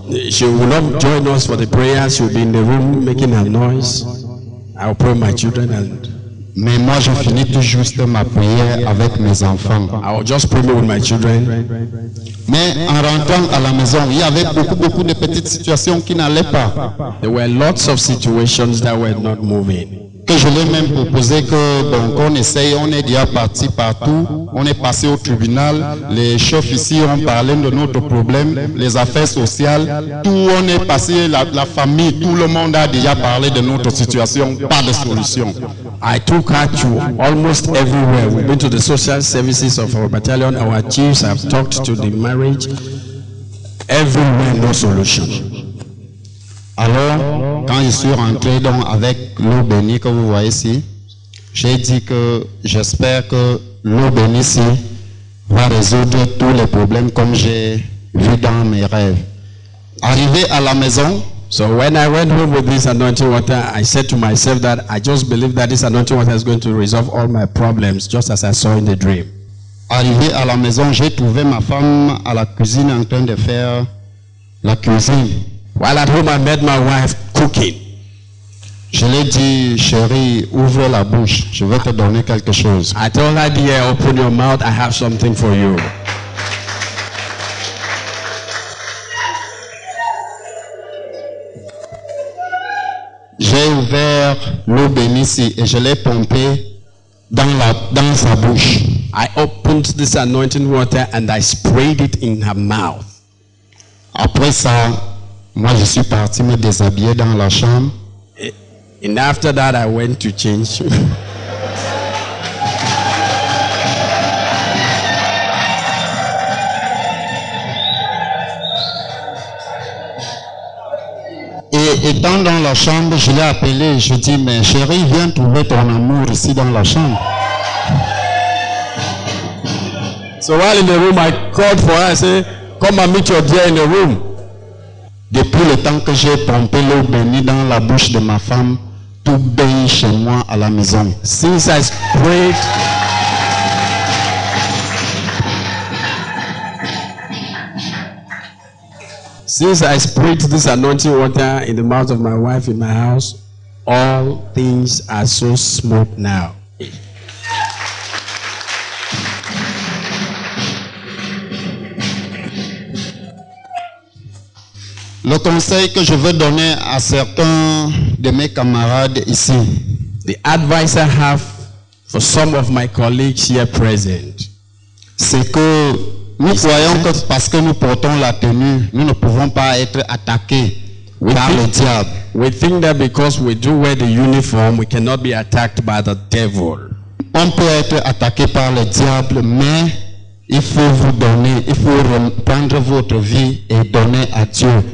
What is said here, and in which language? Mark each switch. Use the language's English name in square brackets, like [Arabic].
[English] She will not join us for the prayers. She will be in the room making a noise. I will pray with my children. [French] Mais moi, je finis tout juste ma prière avec mes enfants. [English] I will just pray with my children. [French] Mais en rentrant à la maison, il y avait beaucoup de petites situations qui n'allaient pas. [English] There were lots of situations that were not moving. [French] Que je l'ai même proposé que bon, qu'on essaye, on est déjà parti partout, on est passé au tribunal, les chefs ici ont parlé de notre problème, les affaires sociales, tout on est passé, la famille, tout le monde a déjà parlé de notre situation, pas de solution. [English] I took her to almost everywhere. We've been to the social services of our battalion, our chiefs have talked to the marriage. Everywhere, no solution. [French] Alors, quand je suis rentré donc avec l'eau bénie que vous voyez ici, j'ai dit que j'espère que l'eau bénie ici va résoudre tous les problèmes comme j'ai vu dans mes rêves. Arrivé à la maison, [English] so when I went home with this anointing water, I said to myself that I just believe that this anointing water is going to resolve all my problems, just as I saw in the dream. [French] Arrivé à la maison, j'ai trouvé ma femme à la cuisine en train de faire la cuisine. [English] While at home, I met my wife cooking. [French] Je lui ai dit, chérie, ouvre la bouche, je vais te donner quelque chose. [English] I told her, dear, open your mouth, I have something for you. [French] J'ai ouvert l'eau bénie et je l'ai pompé dans sa bouche. [English] I opened this anointing water and I sprayed it in her mouth. [French] Après ça, moi je suis parti me déshabiller dans la chambre. [English] And after that, I went to change. [French] Et étant dans la chambre, je l'ai appelé. Je dis, mais chérie, viens trouver ton amour ici dans la chambre. [English] So while in the room, I called for her. I said, come and meet your dear in the room. [French] Depuis le temps que j'ai pompé l'eau bénie dans la bouche de ma femme, tout baigne chez moi à la maison. [English] Since I sprayed, this anointing water in the mouth of my wife in my house, all things are so smooth now. [French] Le conseil que je veux donner à certains de mes camarades ici. [English] The advice I have for some of my colleagues here present. [French] C'est que nous croyons que parce que nous portons la tenue, nous ne pouvons pas être attaqués par le diable. [English] We think that because we do wear the uniform, we cannot be attacked by the devil. [French] On peut être attaqué par le diable, mais il faut vous donner, il faut reprendre votre vie et donner à Dieu.